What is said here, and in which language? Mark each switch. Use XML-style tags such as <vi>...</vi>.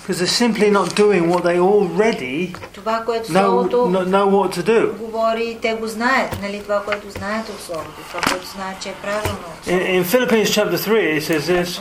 <en>Because they're simply not doing what they already know what to do.</en> <bg>Говори, те го знаят, нали, това, което знаят от Словото, това, което знаят, че е правилно.</bg> <en>In Philippians chapter 3 it says this.</en>